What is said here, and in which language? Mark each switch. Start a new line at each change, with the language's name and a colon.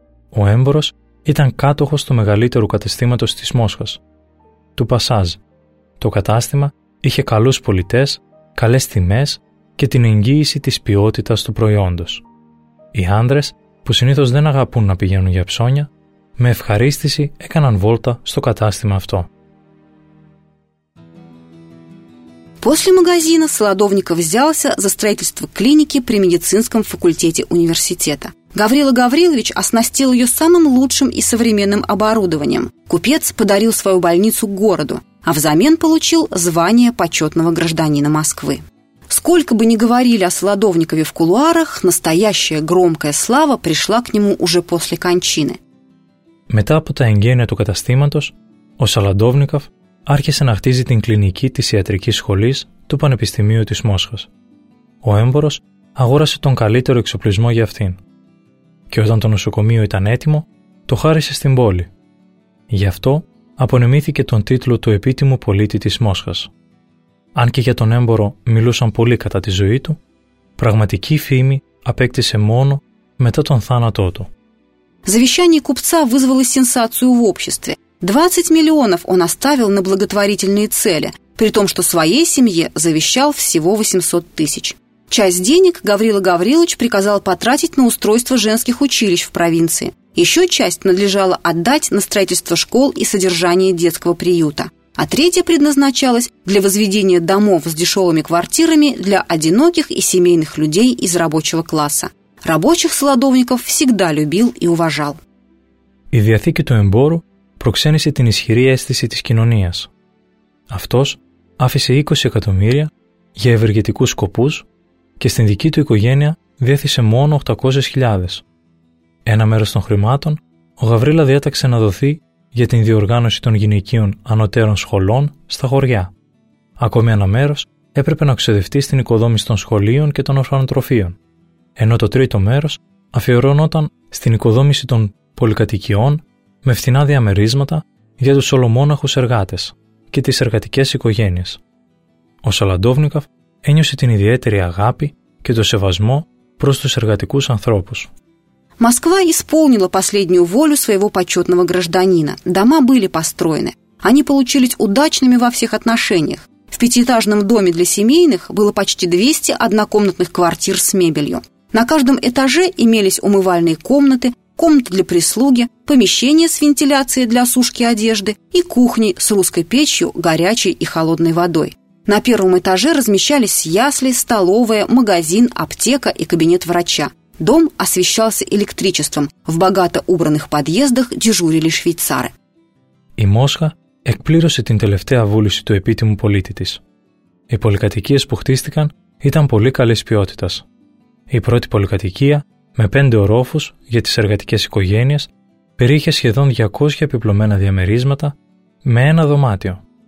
Greek: Ο έμπορος ήταν κάτοχος του μεγαλύτερου καταστήματος της Μόσχας, του Πασάζ. Το κατάστημα είχε καλούς πολιτές, καλές τιμές και την εγγύηση της ποιότητας του προϊόντος. Οι άντρες, που συνήθως δεν αγαπούν να πηγαίνουν για ψώνια, με ευχαρίστηση έκαναν βόλτα στο κατάστημα αυτό.
Russian: После магазина Солодовников взялся за строительство клиники при медицинском факультете университета. Гаврила Гаврилович оснастил ее самым лучшим и современным оборудованием. Купец подарил свою больницу городу, а взамен получил звание почетного гражданина Москвы. Сколько бы ни говорили о Солодовникове в кулуарах, настоящая громкая слава пришла к нему уже после кончины.
Greek: Μετά από τα εγγένεια του καταστήματος, ο Солодовников άρχισε να χτίζει την κλινική της ιατρικής σχολής του Πανεπιστημίου της Μόσχας. Ο έμπορος αγόρασε τον καλύτερο εξοπλισμό για αυτήν. Και όταν το νοσοκομείο ήταν έτοιμο, το χάρισε στην πόλη. Γι' αυτό απονεμήθηκε τον τίτλο του επίτιμου πολίτη της Μόσχας. Αν και για τον έμπορο μιλούσαν πολύ κατά τη ζωή του, πραγματική φήμη απέκτησε μόνο μετά τον θάνατό του.
Russian: Завещание купца вызвало сенсацию в обществе. 20 миллионов он оставил на благотворительные цели, при том, что своей семье завещал всего 800 тысяч. Часть денег Гаврила Гаврилович приказал потратить на устройство женских училищ в провинции. Еще часть надлежало отдать на строительство школ и содержание детского приюта. А третья предназначалась для возведения домов с дешевыми квартирами для одиноких и семейных людей из рабочего класса. Рабочих Солодовников всегда любил и уважал.
Greek: Η διαθήκη του εμπόρου προξένησε την ισχυρή αίσθηση της κοινωνίας. Αυτός άφησε 20 εκατομμύρια για ευεργετικούς σκοπούς και στην δική του οικογένεια διέθεσε μόνο 800.000. Ένα μέρος των χρημάτων ο Γαβρίλα διέταξε να δοθεί για την διοργάνωση των γυναικείων ανωτέρων σχολών στα χωριά. Ακόμη ένα μέρος έπρεπε να ξοδευτεί στην οικοδόμηση των σχολείων και των ορφανοτροφείων, ενώ το τρίτο μέρος αφιερώνονταν στην οικοδόμηση των πολυκατοικιών με φθηνά διαμερίσματα για τους ολομόναχους εργάτες και τις εργατικές οικογένειες. Ο Σαλαντόβνικαφ ένιωσε την ιδιαίτερη αγάπη και το σεβασμό προς τους εργατικούς ανθρώπους.
Russian: Москва исполнила последнюю волю своего почетного гражданина. Дома были построены. Они получились удачными во всех отношениях. В пятиэтажном доме для семейных было почти 200 однокомнатных квартир с мебелью. На каждом этаже имелись умывальные комнаты, комнаты для прислуги, помещения с вентиляцией для сушки одежды и кухни с русской печью, горячей и холодной водой. На первом этаже размещались ясли, столовая, магазин, аптека и кабинет врача. Дом освещался электричеством. В богато убранных подъездах дежурили швейцары.
Greek: Η Μόσχα εκπλήρωσε την τελευταία βούληση του επίτιμου πολίτη της. Οι πολυκατοικίες που χτίστηκαν ήταν πολύ καλής ποιότητας. Η πρώτη πολυκατοικία, με 5 ορόφους για τις εργατικές οικογένειες, περιείχε σχεδόν 200 επιπλωμένα διαμερίσματα με ένα δωμάτιο.